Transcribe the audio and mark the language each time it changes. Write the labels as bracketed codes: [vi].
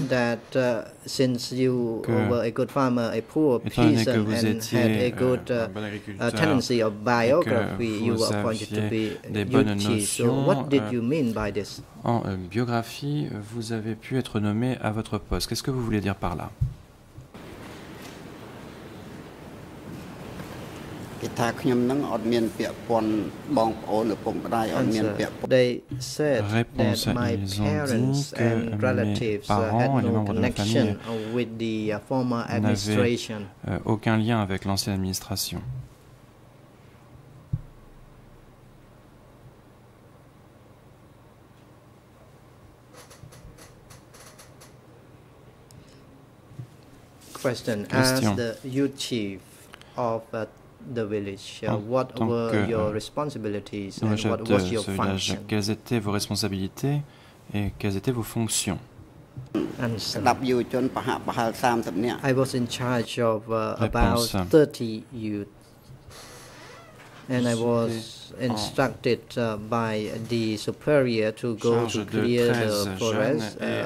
[en] that since you were a good farmer a poor peasant and had a good tendency of biography you were appointed to be [fr] des bonnes notions, [en] so what did you mean by this [fr] en biographie vous avez pu être nommé à votre poste qu'est-ce que vous voulez dire par là [en] They said [fr] réponse, [en] that my parents and relatives [fr] parents [en] had no connection [fr] de la famille [en] with the former administration. [fr] Aucun lien avec l'ancienne administration. [en] Question. [fr] Question. [en] As the youth chief of the village. What were your responsibilities and what was your function? [fr] Quelles étaient vos responsabilités et quelles étaient vos fonctions? [en] I was in charge of about 30 youth and I was instructed by the superior to go to clear the forest